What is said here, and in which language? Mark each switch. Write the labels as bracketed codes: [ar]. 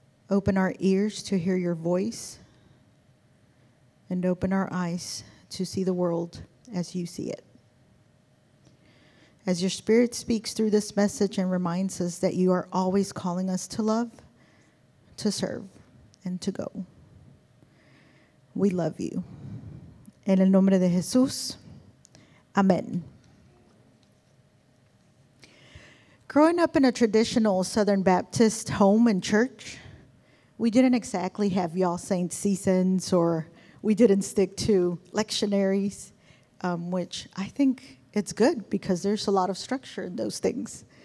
[en] Open our ears to hear your voice. And open our eyes to see the world as you see it. As your Spirit speaks through this message and reminds us that you are always calling us to love, to serve, and to go. We love you. [es] En el nombre de Jesús, amen. [en] Growing up in a traditional Southern Baptist home and church, we didn't exactly have Y'all Saints seasons, or we didn't stick to lectionaries, which I think it's good because there's a lot of structure in those things.